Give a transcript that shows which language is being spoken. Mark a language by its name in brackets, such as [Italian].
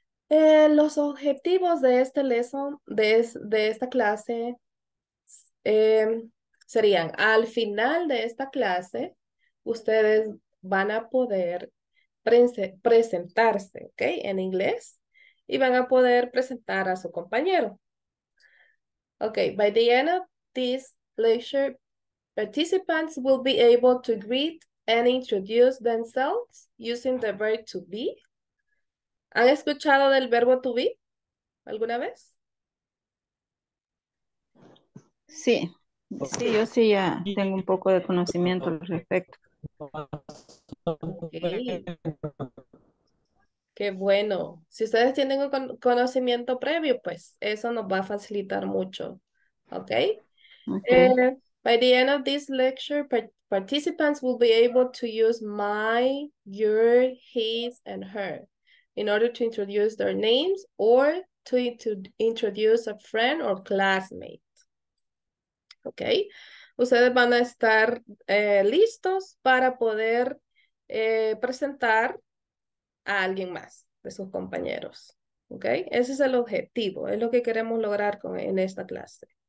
[Spanish] Los objetivos de este lesson, de esta clase, serían, al final de esta clase, ustedes van a poder presentarse, ¿ok? En inglés, y van a poder presentar a su compañero. [English] Ok, by the end of this lecture, participants will be able to greet and introduce themselves using the verb to be. [Spanish] ¿Han escuchado del verbo to be alguna vez? Sí, sí, yo sí ya tengo un poco de conocimiento al respecto. Okay. Qué bueno. Si ustedes tienen un conocimiento previo, pues eso nos va a facilitar mucho. Ok. [English] By the end of this lecture, participants will be able to use my, your, his, and her in order to introduce their names or to introduce a friend or classmate. Ok. [Spanish] Ustedes van a estar listos para poder presentar a alguien más de sus compañeros. ¿Ok? Ese es el objetivo, es lo que queremos lograr en esta clase.